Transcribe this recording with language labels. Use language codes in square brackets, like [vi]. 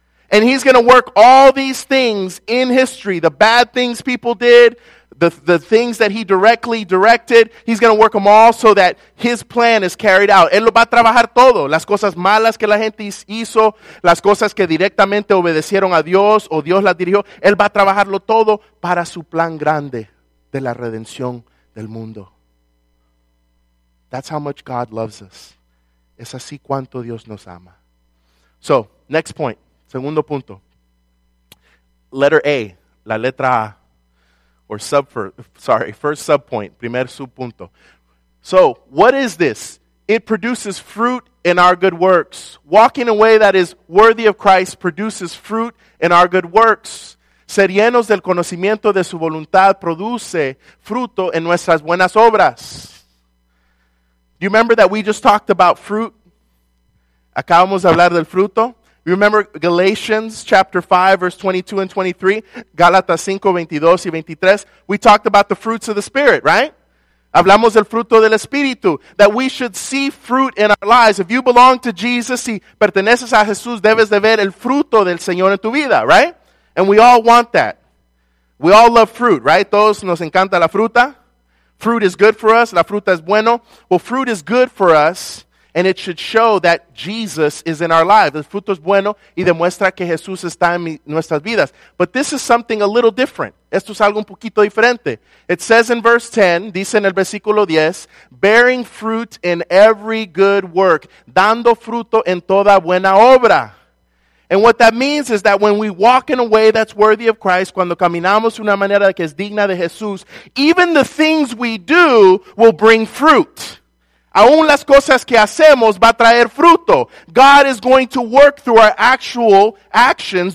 [en] And he's going to work all these things in history. The bad things people did, the things that he directly directed, he's going to work them all so that his plan is carried out. [es] Él lo va a trabajar todo. Las cosas malas que la gente hizo, las cosas que directamente obedecieron a Dios o Dios las dirigió, él va a trabajarlo todo para su plan grande de la redención del mundo. [en] That's how much God loves us. [es] Es así cuanto Dios nos ama. [en] So, next point. [es] Segundo punto. [en] Letter A. [es] La letra A. [en] Or sub for, sorry, first subpoint. [es] Primer subpunto. [en] So, what is this? It produces fruit in our good works. Walking a way that is worthy of Christ produces fruit in our good works. [es] Ser llenos del conocimiento de su voluntad produce fruto en nuestras buenas obras. [en] Do you remember that we just talked about fruit? [es] Acabamos de hablar del fruto. [en] You remember Galatians chapter 5, verse 22 and 23? Galatas 5, 22 y 23. We talked about the fruits of the Spirit, right? [es] Hablamos del fruto del Espíritu. [en] That we should see fruit in our lives. If you belong to Jesus, [es] si perteneces a Jesús, debes de ver el fruto del Señor en tu vida, right? [en] And we all want that. We all love fruit, right? [es] Todos nos encanta la fruta. [en] Fruit is good for us. [es] La fruta es bueno. [en] Well, fruit is good for us, and it should show that Jesus is in our lives. [es] El fruto es bueno y demuestra que Jesús está en nuestras vidas. [en] But this is something a little different. [es] Esto es algo un poquito diferente. [en] It says in verse 10, [es] dice en el versículo 10, [en] bearing fruit in every good work, [es] dando fruto en toda buena obra. [en] And what that means is that when we walk in a way that's worthy of Christ, [es] cuando caminamos de una manera que es digna de Jesús, [en] even the things we do will bring fruit. [es] Aún las cosas que hacemos va a traer fruto. [en] God is going to work through our actual actions.